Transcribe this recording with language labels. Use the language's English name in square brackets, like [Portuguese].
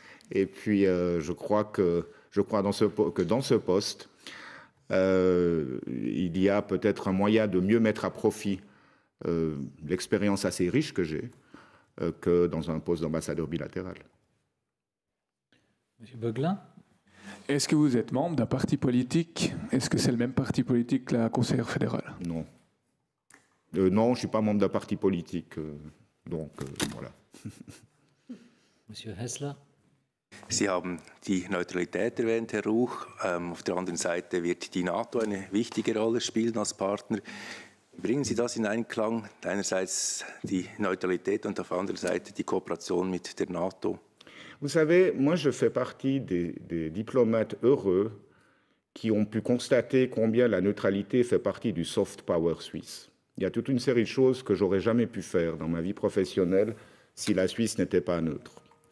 [French] Et puis, je crois que dans ce poste, il y a peut-être un moyen de mieux mettre à profit l'expérience assez riche que j'ai que dans un poste d'ambassadeur bilatéral. Monsieur Beuglin. Est-ce que vous êtes membre d'un parti politique? Est-ce que c'est le même parti politique que la conseillère fédérale? Non. Non, je ne suis pas membre d'un parti politique. Voilà. Monsieur Hessler. [German] Sie haben die Neutralität erwähnt, Herr Rouch. Auf der anderen Seite wird die NATO eine wichtige Rolle spielen als Partner. Bringen Sie das in Einklang, einerseits die Neutralität und auf der anderen Seite die Kooperation mit der NATO? [French] Vous savez, moi je fais partie des diplomates heureux qui ont pu constater combien la neutralité fait partie du soft power suisse. Il y a toute une série de choses que j'aurais jamais pu faire dans ma vie professionnelle si la Suisse n'était pas neutre.